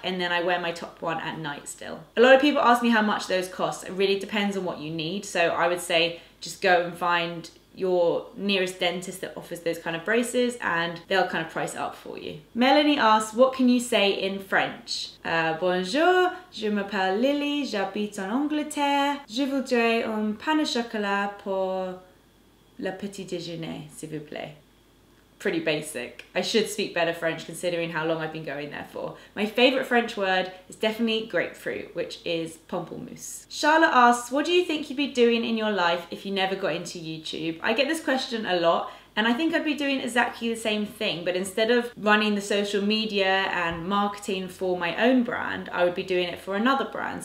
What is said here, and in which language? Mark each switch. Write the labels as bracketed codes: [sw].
[en] And then I wear my top one at night still. A lot of people ask me how much those cost. It really depends on what you need. So I would say just go and find your nearest dentist that offers those kind of braces and they'll kind of price it up for you. Melanie asks, what can you say in French? [fr] Bonjour, je m'appelle Lily, j'habite en Angleterre. Je voudrais un pain au chocolat pour le petit déjeuner, s'il vous plaît. [en] Pretty basic. I should speak better French considering how long I've been going there for. My favorite French word is definitely grapefruit, which is pamplemousse. Charlotte asks, what do you think you'd be doing in your life if you never got into YouTube? I get this question a lot, and I think I'd be doing exactly the same thing, but instead of running the social media and marketing for my own brand, I would be doing it for another brand.